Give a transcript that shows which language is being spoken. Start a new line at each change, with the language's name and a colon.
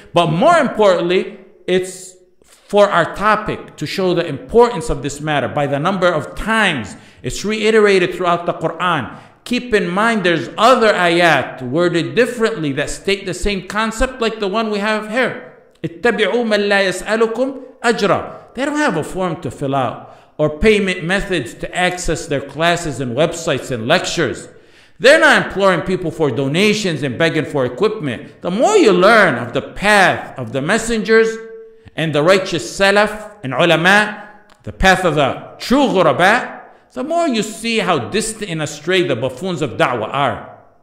English: But more importantly, it's for our topic to show the importance of this matter by the number of times it's reiterated throughout the Quran. Keep in mind there's other ayat worded differently that state the same concept like the one we have here.
Arabic: اتبعوا من لا يسألكم أجرا.
English: They don't have a form to fill out or payment methods to access their classes and websites and lectures. They're not imploring people for donations and begging for equipment. The more you learn of the path of the messengers and the righteous salaf and ulama, the path of the true ghuraba, the more you see how distant and astray the buffoons of da'wah are.